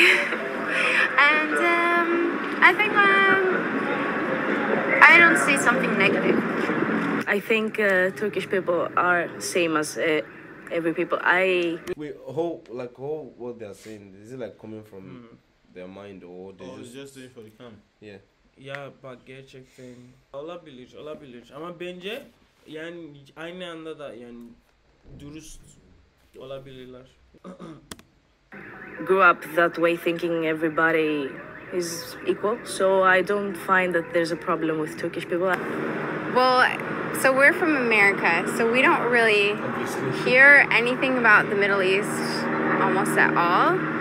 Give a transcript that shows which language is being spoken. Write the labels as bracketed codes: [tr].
[en] And I think I don't see something negative. I think Turkish people are same as every people. We hope, like, all what they are saying, is it like coming from their mind or they just doing for the cam? Yeah. [tr] Ya bak gerçekten olabilir, olabilir ama bence yani aynı anda da yani dürüst olabilirler. [en] Grew up that way thinking everybody is equal, so I don't find that there's a problem with Turkish people. Well, so we're from America, so we don't really hear anything about the Middle East almost at all.